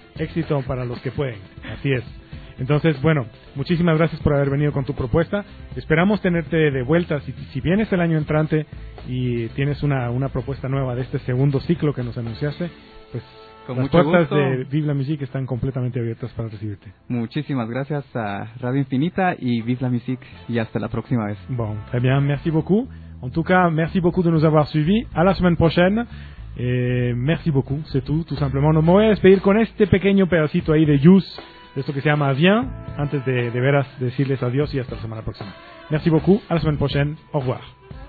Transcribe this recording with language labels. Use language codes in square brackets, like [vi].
[es] Éxito para los que pueden, así es. Entonces, bueno, muchísimas gracias por haber venido con tu propuesta. Esperamos tenerte de vuelta. Si vienes el año entrante y tienes una propuesta nueva de este segundo ciclo que nos anunciaste, pues con las puertas de Vive la Musique están completamente abiertas para recibirte. Muchísimas gracias a Radio Infinita y Vive la Musique. Y hasta la próxima vez. [fr] Bon, très bien, merci beaucoup. En tout cas, merci beaucoup de nous avoir suivis. À la semaine prochaine. Merci beaucoup, c'est tout, tout simplement. [es] Nos voy a despedir con este pequeño pedacito ahí de Youth, de esto que se llama Viens, antes de veras decirles adiós y hasta la semana próxima. [fr] Merci beaucoup, à la semaine prochaine. Au revoir.